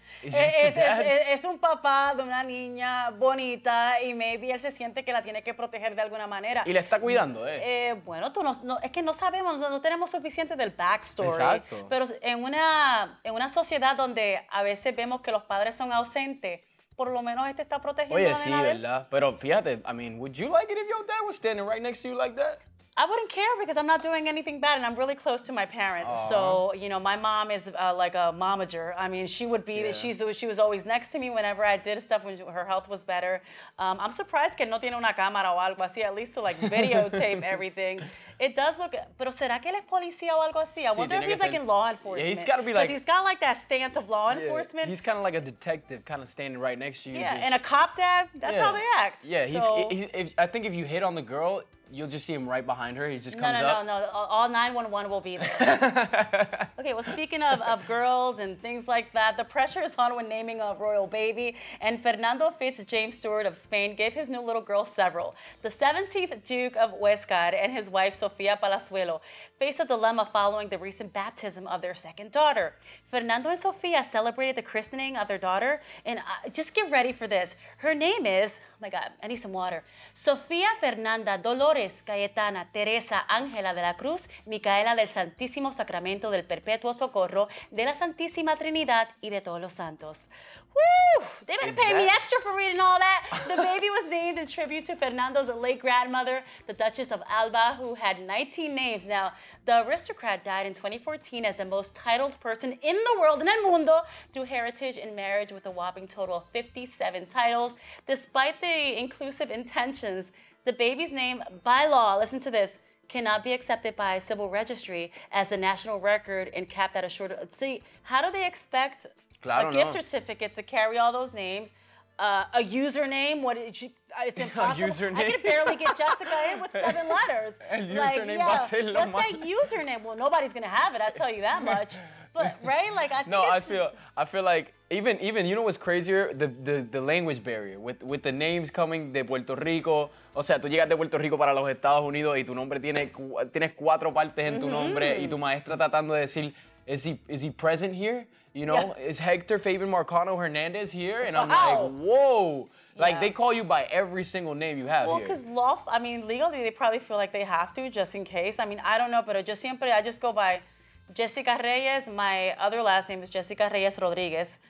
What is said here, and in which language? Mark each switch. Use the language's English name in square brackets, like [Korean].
[Spanish] Es un papá de una niña bonita, y [English] maybe [Spanish] él se siente que la tiene que proteger de alguna manera. Y la está cuidando, ¿eh? Bueno, tú no, es que no sabemos, no tenemos suficiente del backstory. Exacto. Pero en una sociedad donde a veces vemos que los padres son ausentes, por lo menos este está protegido. Oye, sí, ¿verdad? Pero fíjate, [English] I mean, would you like it if your dad was standing right next to you like that? I wouldn't care, because I'm not doing anything bad, and I'm really close to my parents. Aww. So, you know, my mom is like a momager. I mean, she would be, she was always next to me whenever I did stuff when her health was better. I'm surprised [Spanish] que no tiene una cámara o algo así, [English] at least to like videotape everything. It does look, [Spanish] pero será que él es policía o algo así? [English] I wonder if he's like in law enforcement. Yeah, he's got to be like, because he's got like that stance of law enforcement. Yeah, he's kind of like a detective, kind of standing right next to you. Yeah, and a cop dad, that's how they act. Yeah, I think if you hit on the girl, You'll just see him right behind her. He just comes up. No. All 911 will be there. Okay, well, speaking of girls and things like that, the pressure is on when naming a royal baby. And Fernando Fitz James Stewart of Spain gave his new little girl several. The 17th Duke of Huescar and his wife, Sofia Palazuelo, face a dilemma following the recent baptism of their second daughter. Fernando and Sofia celebrated the christening of their daughter. And just get ready for this. Her name is, oh my God, I need some water. [Spanish] Sofia Fernanda Dolores Cayetana Teresa Ángela de la Cruz Micaela del Santísimo Sacramento del Perpetuo Socorro de la Santísima Trinidad y de Todos los Santos. Woo! [English] They better pay me extra for reading all that. The baby was named in tribute to Fernando's late grandmother, the Duchess of Alba, who had 19 names. Now, the aristocrat died in 2014 as the most titled person in the world, [Spanish] en el mundo, [English] through heritage and marriage with a whopping total of 57 titles. Despite the inclusive intentions, the baby's name, by law, listen to this, cannot be accepted by civil registry as a national record and capped at a shorter... See, how do they expect a gift certificate to carry all those names? A username? What is it? It's impossible. A username? I can barely get Jessica in with seven letters. A username, like, Barcelona. Let's say username. Well, nobody's going to have it, I'll tell you that much. But, right? Like, I think I feel like... Even you know what's crazier? The language barrier. With the names coming [Spanish] de Puerto Rico. O sea, tú llegas de Puerto Rico para los Estados Unidos y tu nombre tienes cuatro partes en tu nombre y tu maestra tratando de decir, [English] is he present here? You know, is Hector Fabian Marcano Hernandez here? And I'm like, whoa. Like, they call you by every single name you have here. Well, because law, I mean, legally, they probably feel like they have to just in case. I mean, I don't know, [Spanish] pero yo siempre, [English] I just go by... Jessica Reyes, my other last name is Jessica Reyes Rodriguez.